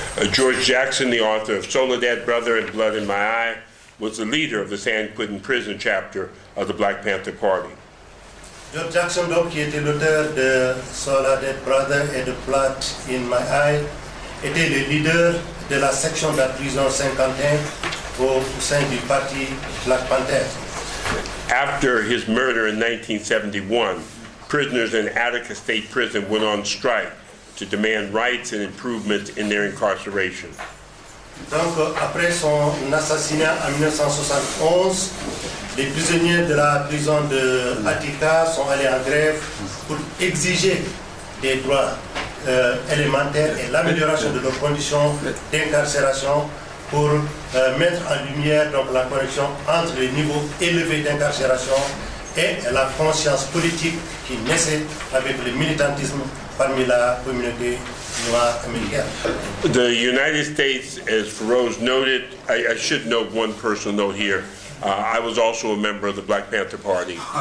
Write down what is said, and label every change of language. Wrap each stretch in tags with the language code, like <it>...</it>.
<en>George Jackson, the author of Soledad, Brother, and Blood in My Eye, was the leader of the San Quentin prison chapter of the Black Panther Party.</en> <fr>George Jackson, donc, qui était l'auteur de Soledad, Brother, et de Blood in My Eye, était le leader de la section de la prison San Quentin au sein du parti Black Panther.</fr> <en>After his murder in 1971, prisoners in Attica State Prison went on strike to demand rights and improvements in their incarceration.</en> <fr>Donc après son assassinat en 1971, les prisonniers de la prison de Attica sont allés en grève pour exiger des droits élémentaires et l'amélioration de leurs conditions d'incarcération pour mettre en lumière donc la connexion entre les niveaux élevés d'incarcération et la conscience politique qui naissait avec le militantisme.</fr> <en>The United States, as Feroz noted, I should note one personal note here. I was also a member of the Black Panther Party.</en>